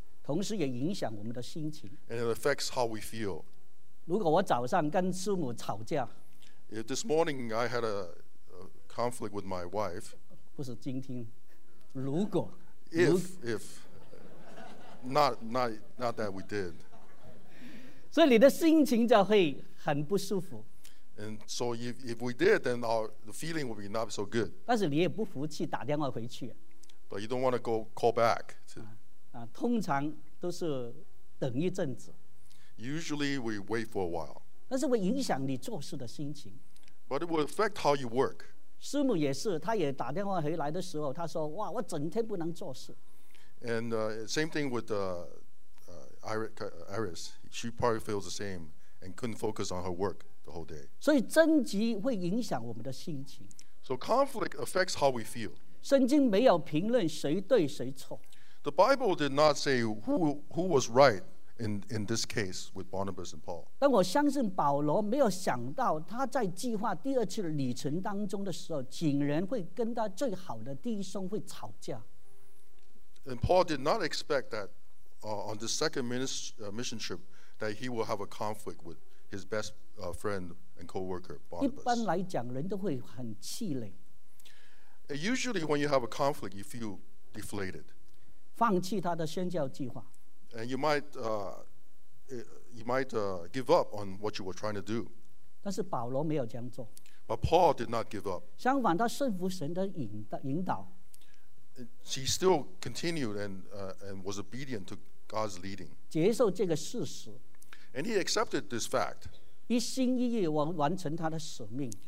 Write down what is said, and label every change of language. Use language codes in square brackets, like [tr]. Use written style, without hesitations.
[zh] 同时也影响我们的心情。 [en] And it affects how we feel. [zh] 如果我早上跟师母吵架。 [en] If this morning I had a conflict with my wife. [zh] 不是今天，如果。 [en] If. Not that we did. [zh] 所以你的心情就会很不舒服。 [en] And so if we did, then the feeling would be not so good. [zh] 但是你也不服气打电话回去。 [en] But you don't want to go call back. [zh] 通常都是等一阵子。 [en] Usually we wait for a while. [zh] 但是会影响你做事的心情。 [en] But it will affect how you work. [zh] 师母也是，她也打电话回来的时候，她说：“哇，我整天不能做事。” [en] And same thing with Iris. She probably feels the same and couldn't focus on her work the whole day. [zh] 所以争执会影响我们的心情。 [en] So conflict affects how we feel. [zh] 圣经没有评论谁对谁错。 [en] The Bible did not say who was right in this case with Barnabas and Paul. [zh] 但我相信保罗没有想到他在计划第二次旅程当中的时候，竟然会跟他最好的弟兄会吵架。 [en] And Paul did not expect that on the second mission trip that he will have a conflict with his best friend and co-worker, Barnabas. [zh] 一般来讲，人都会很气馁。 [en] Usually, when you have a conflict, you feel deflated. [zh] 放弃他的宣教计划。 [en] And you might give up on what you were trying to do. [zh] 但是保罗没有这样做。 [en] But Paul did not give up. [zh] 相反，他顺服神的引导。 [en] She still continued and was obedient to God's leading. [zh] 接受这个事实。 [en] And he accepted this fact. [zh] 一心一意完成他的使命。